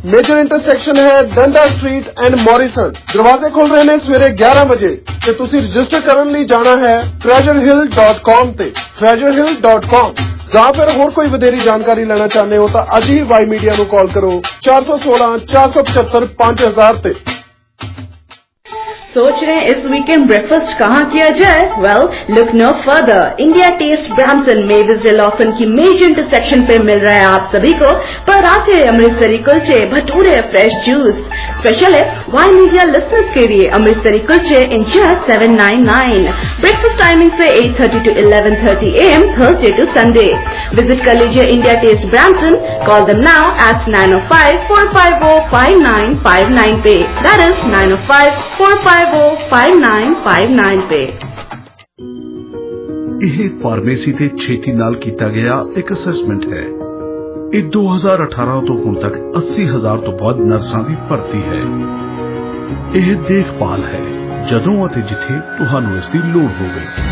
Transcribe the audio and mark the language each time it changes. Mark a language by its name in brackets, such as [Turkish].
[Punjabi] Major intersection ਹੈ ਡੰਡਾ street and Morrison. ਦਰਵਾਜ਼ੇ ਖੁੱਲ ਰਹੇ ਨੇ ਸਵੇਰੇ 11 ਵਜੇ ਤੇ ਤੁਸੀਂ ਰਜਿਸਟਰ ਕਰਨ ਲਈ ਜਾਣਾ ਹੈ treasurehill.com ਤੇ treasurehill.com। ਜਾਂ ਫਿਰ ਹੋਰ ਕੋਈ ਵਧੇਰੀ ਜਾਣਕਾਰੀ ਲੈਣਾ ਚਾਹੁੰਦੇ ਹੋ ਤਾਂ ਅੱਜ ਹੀ ਵਾਈ ਮੀਡੀਆ ਨੂੰ ਕਾਲ ਕਰੋ 416-475-5000 ਤੇ। [Hindi] सोच रहे इस वीकेंड ब्रेकफास्ट कहाँ किया जाए? [English] well, look no further, [Hindi] India test Brampton Mavis day Lawson की मेजर इंटरसेक्शन पे मिल रहा है आप सभी को पराठे, अमृतसरी कुलचे, भटूरे, फ्रेश जूस। स्पेशल है वाई मीडिया लिसनर्स के लिए अमृतसरी कुलचे इंच 799। ब्रेकफास्ट टाइमिंग से 8:30 to 11:30 AM Thursday two Sunday. Visit कर लीजिए India test Brampton, [English] call them now at [Hindi] 905-450-5959 पे, [English] that is [Hindi] 905-450-5959 [Punjabi] पे। ਇਹ ਫਾਰਮੇਸੀ ਤੇ ਛੇਤੀ ਨਾਲ ਕੀਤਾ ਗਿਆ ਇੱਕ ਅਸੈਸਮੈਂਟ ਹੈ। ਇਹ 2018 ਤੋਂ ਹੁਣ ਤੱਕ 80,000 ਤੋਂ ਵੱਧ ਨਰਸਾਂ ਦੀ ਭਰਤੀ ਹੈ। ਇਹ ਦੇਖਭਾਲ ਹੈ ਜਦੋਂ ਅਤੇ ਜਿੱਥੇ ਤੁਹਾਨੂੰ ਇਸ ਦੀ ਲੋੜ ਹੋਵੇ।